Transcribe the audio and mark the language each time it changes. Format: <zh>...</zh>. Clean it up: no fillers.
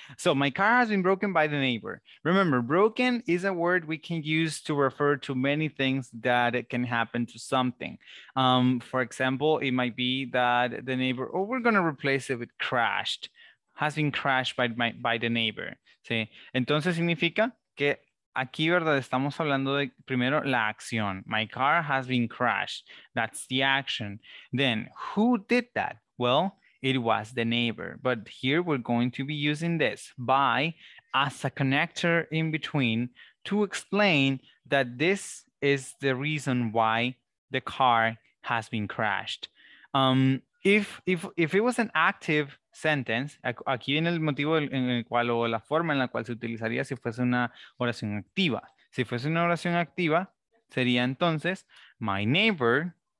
<en>So my car has been broken by the neighbor. Remember, broken is a word we can use to refer to many things that can happen to something. For example, it might be that the neighbor, or we're gonna replace it with crashed, has been crashed by the neighbor.</en> <es>¿Sí? Entonces significa que aquí, verdad, estamos hablando de primero la acción.</es> <en>My car has been crashed, that's the action. Then who did that? Well, it was the neighbor, but here we're going to be using this by as a connector in between to explain that this is the reason why the car has been crashed. If it was an active sentence,</en> <es>aquí viene el motivo en el cual o la forma en la cual se utilizaría si fuese una oración activa. Si fuese una oración activa, sería entonces</es> <en>my neighbor.</en>